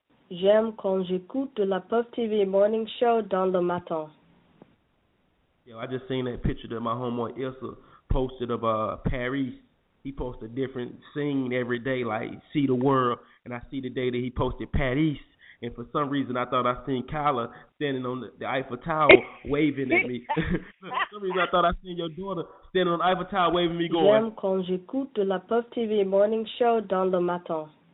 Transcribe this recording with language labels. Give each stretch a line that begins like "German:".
French: J'aime quand j'écoute de la Puff TV morning show dans le matin.
English: Yo, I just seen that picture that my homeboy Issa posted of Paris. He posts a different scene every day, like see the world. And I see the day that he posted Paris. And for some reason, I thought I seen Kyla standing on the Eiffel Tower waving at me. For some reason, I thought I seen your daughter standing on the Eiffel Tower waving me going.
French: J'aime quand j'écoute de la Puff TV morning show dans le matin.